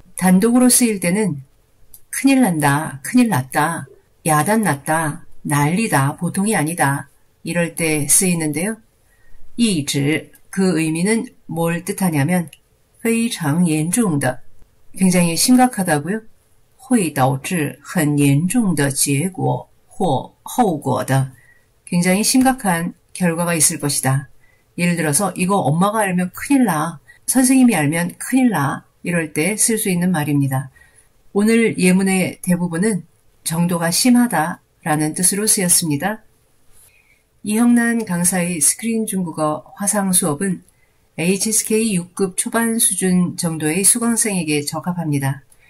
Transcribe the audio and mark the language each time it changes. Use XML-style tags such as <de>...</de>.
<ko>단독으로 쓰일 때는 큰일 난다, 큰일 났다, 야단 났다, 난리다, 보통이 아니다 이럴 때 쓰이는데요. 이즈 그 의미는 뭘 뜻하냐면</ko> <zh>非常 严重的,</zh> <ko>굉장히 심각하다고요.</ko> <zh>会导致很严重的结果或后果的,</zh> <ko>굉장히 심각한 결과가 있을 것이다. 예를 들어서 이거 엄마가 알면 큰일 나, 선생님이 알면 큰일 나 이럴 때쓸수 있는 말입니다. 오늘 예문의 대부분은 정도가 심하다라는 뜻으로 쓰였습니다. 이형란 강사의 스크린 중국어 화상 수업은 HSK 6급 초반 수준 정도의 수강생에게 적합합니다.</ko>